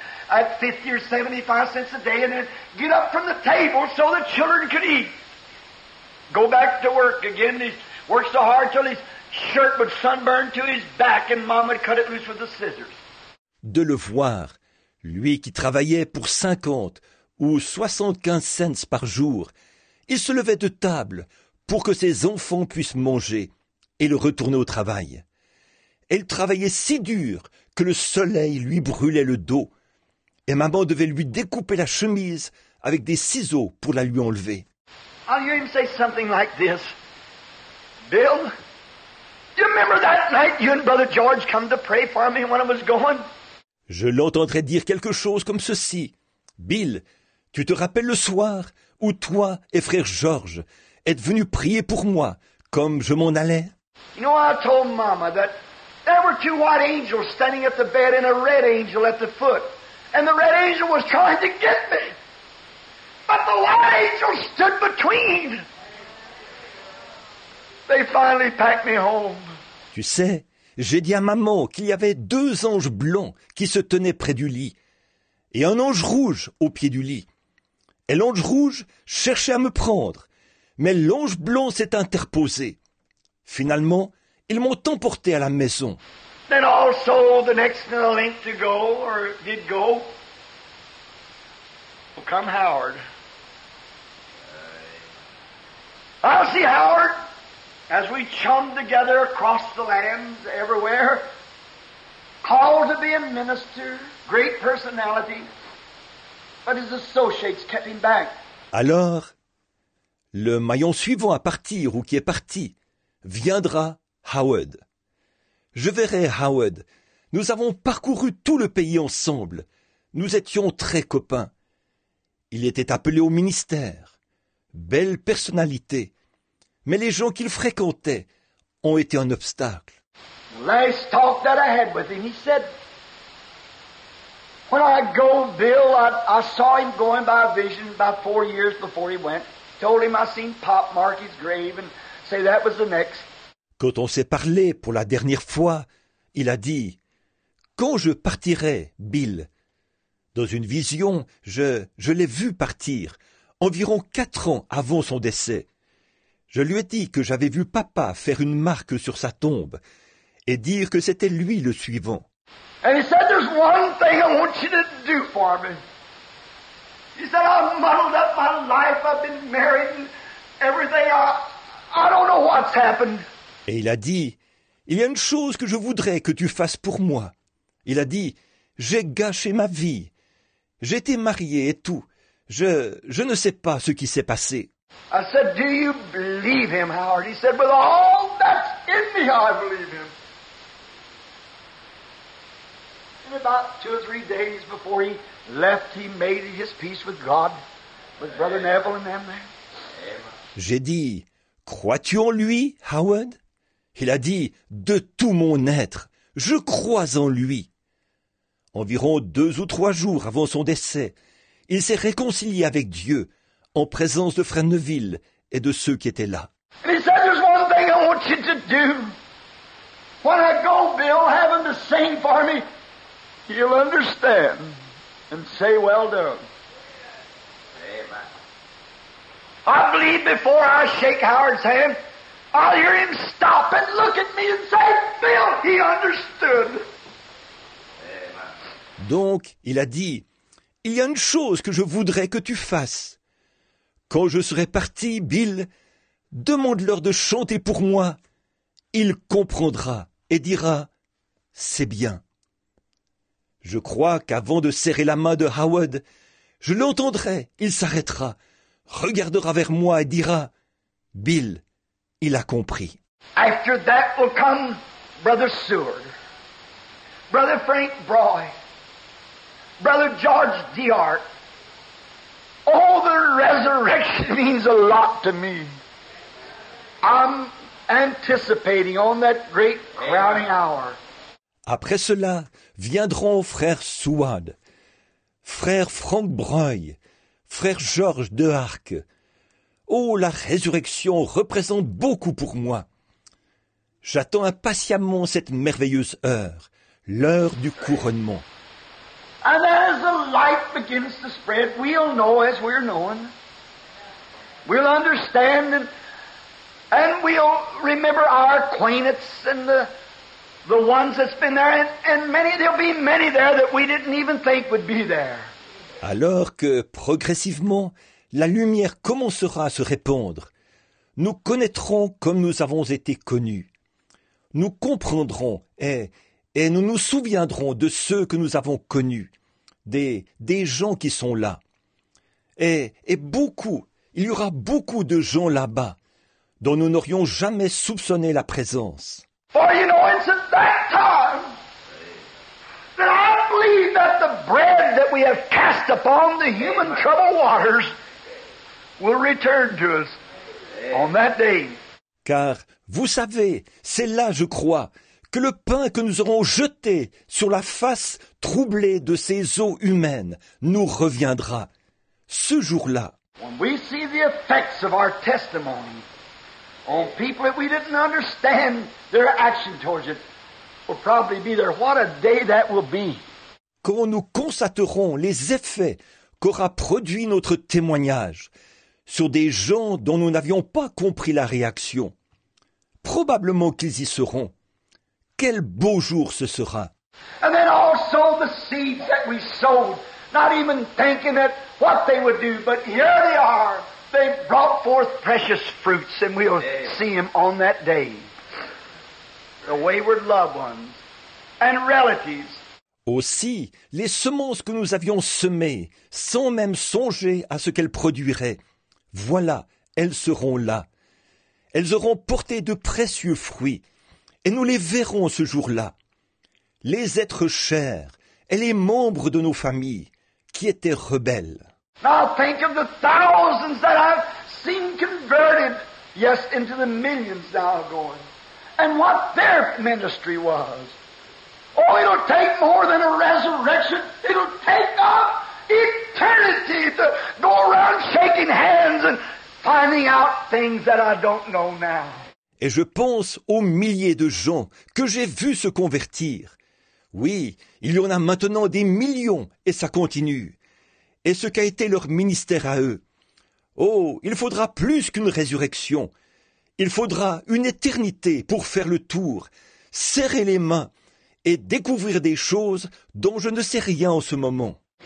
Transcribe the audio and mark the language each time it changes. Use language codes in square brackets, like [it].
[en] At 50 or 75 cents a day, and then get up from the table so the children could eat. Go back to work again. He works so hard till his shirt would sunburn to his back and mom would cut it loose with the scissors. [fr] De le voir, lui qui travaillait pour 50 ou 75 cents par jour, il se levait de table pour que ses enfants puissent manger et le retourner au travail. Elle travaillait si dur que le soleil lui brûlait le dos. Et maman devait lui découper la chemise avec des ciseaux pour la lui enlever. [en] I'll hear him say something like this. Bill, you remember that night you and Brother George come to pray for me when I was gone? [fr] Je l'entendrai dire quelque chose comme ceci. Bill, tu te rappelles le soir où toi et frère George êtes venus prier pour moi comme je m'en allais? [en] You know, I told mama that there were two white angels standing at the bed and a red angel at the foot. And the red angel was trying to get me. But the white angel stood between. They finally packed me home. [fr] Tu sais, j'ai dit à maman qu'il y avait deux anges blancs qui se tenaient près du lit. Et un ange rouge au pied du lit. Et l'ange rouge cherchait à me prendre. Mais l'ange blanc s'est interposé. Finalement, ils m'ont emporté à la maison. [en] Then also the next link to go, or did go, will come Howard. I'll see Howard as we chum together across the lands everywhere, called to be a minister, great personality, but his associates kept him back. [fr] Alors, le maillon suivant à partir ou qui est parti viendra Howard. Je verrai Howard. Nous avons parcouru tout le pays ensemble. Nous étions très copains. Il était appelé au ministère. Belle personnalité. Mais les gens qu'il fréquentait ont été un obstacle. [en] Last talk that I had with him, he said, when I go, Bill, I saw him going by a vision about 4 years before he went. Told him I seen Pop mark his grave and say that was the next. [fr] Quand on s'est parlé pour la dernière fois, il a dit « Quand je partirai, Bill ?» Dans une vision, je l'ai vu partir, environ 4 ans avant son décès. Je lui ai dit que j'avais vu papa faire une marque sur sa tombe et dire que c'était lui le suivant. [en] And he said, there's one thing I want you to do for me. He said, I've muddled up my life, I've been married and everything. I don't know what's happened. [fr] Et il a dit, il y a une chose que je voudrais que tu fasses pour moi. Il a dit, j'ai gâché ma vie. J'étais marié et tout. Je ne sais pas ce qui s'est passé. [en] I said, do you believe him, Howard? He said, with all that's in me, I believe him. And about 2 or 3 days before he left, he made his peace with God, with Brother Neville and them. [fr] J'ai dit, crois-tu en lui, Howard? Il a dit, « De tout mon être, je crois en lui. » Environ 2 ou 3 jours avant son décès, il s'est réconcilié avec Dieu en présence de Frère Neville et de ceux qui étaient là. [en] He said, there's one thing I want you to do. When I go, Bill, have him to sing for me. You'll understand. and say, well done. Amen. I believe before I shake Howard's hand, I'll hear him stop and look at me and say, Bill, he understood. [fr] Donc, il a dit, « Il y a une chose que je voudrais que tu fasses. Quand je serai parti, Bill, demande-leur de chanter pour moi. Il comprendra et dira, « C'est bien. » Je crois qu'avant de serrer la main de Howard, je l'entendrai, il s'arrêtera, regardera vers moi et dira, « Bill, il a compris. » [en] After that will come Brother Seward, Brother Frank Broy, Brother George Deart, all the resurrection means a lot to me. I'm anticipating on that great crowning hour. [fr] Après cela, viendront frère Seward, frère Frank Breuil, frère George Deart. Oh, la résurrection représente beaucoup pour moi. J'attends impatiemment cette merveilleuse heure, l'heure du couronnement. [en] And as the light begins to spread, we'll know as we're known. We'll understand and we'll remember our acquaintance and the ones that's been there. And many, there'll be many there that we didn't even think would be there. [fr] Alors que progressivement, la lumière commencera à se répandre. Nous connaîtrons comme nous avons été connus. Nous comprendrons et nous nous souviendrons de ceux que nous avons connus. Des gens qui sont là. Et beaucoup, il y aura beaucoup de gens là-bas dont nous n'aurions jamais soupçonné la présence. [en] For you know, it's at that time that I believe that the bread that we have cast upon the human troubled waters will return to us on that day. [fr] Car, vous savez, c'est là, je crois, que le pain que nous aurons jeté sur la face troublée de ces eaux humaines nous reviendra ce jour-là. [en] When we see the effects of our testimony on people that we didn't understand their action towards it will probably be there. What a day that will be. [fr] Quand nous constaterons les effets qu'aura produit notre témoignage sur des gens dont nous n'avions pas compris la réaction, probablement qu'ils y seront. Quel beau jour ce sera. [en] And then also the seeds that we sowed, not even thinking that what they would do, but here they are. They brought forth precious fruits, and we'll see them on that day. The wayward loved ones and relatives. [fr] Aussi, les semences que nous avions semées, sans même songer à ce qu'elles produiraient, voilà, elles seront là. Elles auront porté de précieux fruits. Et nous les verrons ce jour-là, les êtres chers et les membres de nos familles qui étaient rebelles. [en] Now think of the thousands that I've seen converted, yes, into the millions now going, and what their ministry was. Oh, it'll take more than a resurrection. It'll take up eternity to go around shaking hands and finding out things that I don't know now. [fr] Et je pense aux milliers de gens que j'ai vus se convertir. Oui, il y en a maintenant des millions et ça continue. Et ce qu'a été leur ministère à eux. Oh, il faudra plus qu'une résurrection. Il faudra une éternité pour faire le tour, serrer les mains et découvrir des choses dont je ne sais rien en ce moment.